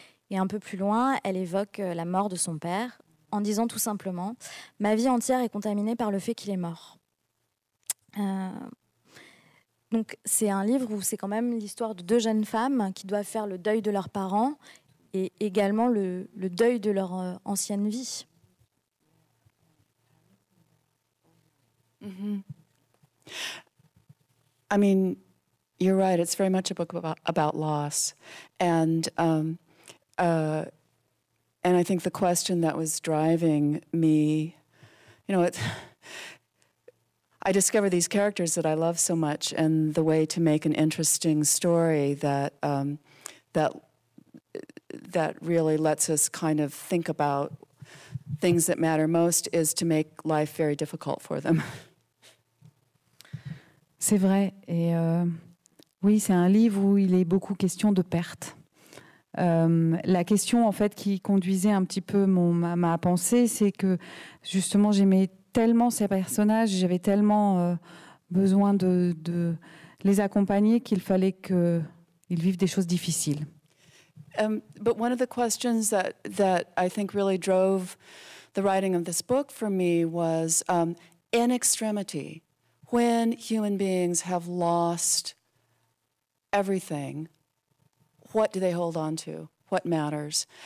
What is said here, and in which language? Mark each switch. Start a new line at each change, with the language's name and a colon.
French: Et un peu plus loin, elle évoque la mort de son père, en disant tout simplement « Ma vie entière est contaminée par le fait qu'il est mort ». Donc c'est un livre où c'est quand même l'histoire de deux jeunes femmes qui doivent faire le deuil de leurs parents, et également le deuil de leur ancienne vie.
English: Mm-hmm. I mean, you're right, it's very much a book about loss. And I think the question that was driving me, you know, I discover these characters that I love so much, and the way to make an interesting story that that really lets us kind of think about things that matter most is to make life very difficult for them.
French: C'est vrai. Et oui, c'est un livre où il est beaucoup question de perte. La question, en fait, qui conduisait un petit peu ma pensée, c'est que, justement, j'aimais tellement ces personnages, j'avais tellement besoin de les accompagner qu'il fallait qu'ils vivent des choses difficiles.
English: But one of the questions that I think really drove the writing of this book for me was, in extremity, when human beings have lost everything, what do they hold on to? What matters?